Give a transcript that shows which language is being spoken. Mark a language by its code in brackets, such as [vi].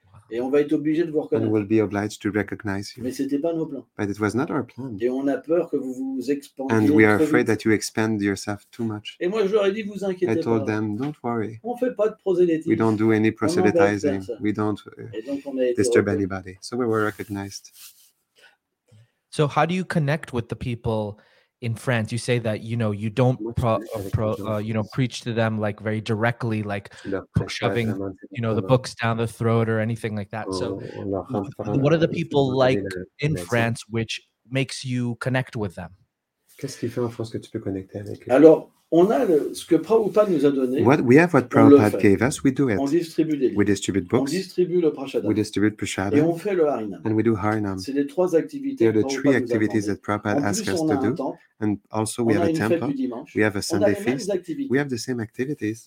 [fr] Et on va être obligé de vous reconnaître. [en] And we'll be obliged to recognize you. [fr] Mais c'était pas nos plans. [en] But it was not our plan. [fr] Et on a peur que vous vous expandiez. [en] And we are afraid that you expand yourself too much. [fr] Et moi, je leur ai dit, vous inquiétez pas. [en] I told them, don't worry. [fr] On fait pas de prosélytisme. [en] We don't do any proselytizing. We don't disturb anybody. So we were recognized. So how do you connect with the people in France? You say that, you know, you don't preach to them like very directly, like shoving, you know, the books down the throat or anything like that. So what are the people like in France which makes you connect with them? [fr] Qu'est-ce qui fait en France que tu peux connecter avec eux? Alors, on a ce que Prabhupada nous a donné. [en] What we have, what Prabhupada gave us, we do it. [fr] On distribue des [en] livres. We distribute books. [fr] On distribue le prashadam. [en] We distribute prashadam. [fr] Et on fait le harinam. [en] And we do harinam. [fr] C'est les trois activités. [en] They're the three activities that Prabhupada asked us to do. And also we have a temple. We have a Sunday feast. We have the same activities.